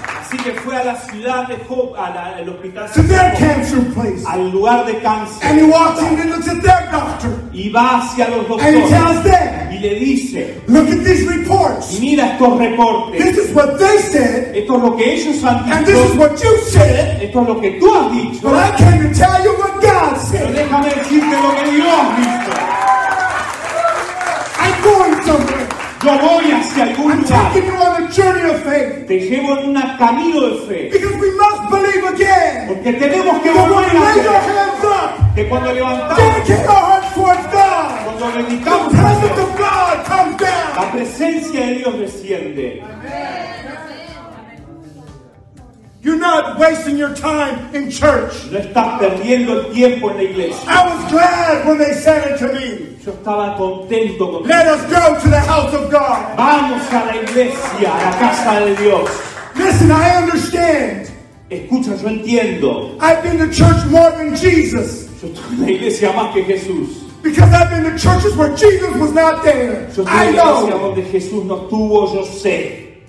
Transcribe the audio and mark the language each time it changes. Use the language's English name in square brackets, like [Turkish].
[Spanish] Así que fue a la ciudad de Hope, al hospital. [English] To their cancer place. [Spanish] Al lugar de cáncer. [English] And he walks in and looks at their doctor. [Spanish] Y va hacia los doctores. [English] And he tells them. [Spanish] Y le dice. [English] Look at these reports. [Spanish] Y mira estos reportes. [English] This is what they said. [Spanish] Esto es lo que ellos han dicho. [English] And this is what you said. [Spanish] Esto es lo que tú has dicho. [English] But I came to tell you what God said. [Spanish] Pero déjame decirte lo que Dios dijo. [English] I'm going somewhere. [Spanish] Yo voy hacia algún lugar. [English] I'm taking you on a journey of faith. [Spanish] Te llevo en un camino de fe. [English] Because we must believe again. [Spanish] Porque tenemos que volver a creer. [English] Lay your hands up. [Spanish] Que cuando levantamos [English] our hearts towards God, [Spanish] cuando dedicamos [English] the presence of God comes down. [Spanish] La presencia de Dios desciende. [English] You're not wasting your time in church. [Spanish] No estás perdiendo el tiempo en la iglesia. [English] I was glad when they said it to me. [Spanish] Yo estaba contento con [English] Let us go to the house of God. [Spanish] Vamos a la iglesia, a la casa de Dios. [English] Listen, I understand. [Spanish] Escucha, yo entiendo. [English] I've been to church more than Jesus. [Spanish] Yo estuve en la iglesia más que Jesús. [English] Because I've been to churches where Jesus was not there. [Spanish] Yo estuve en la iglesia donde Jesús no estuvo, yo sé.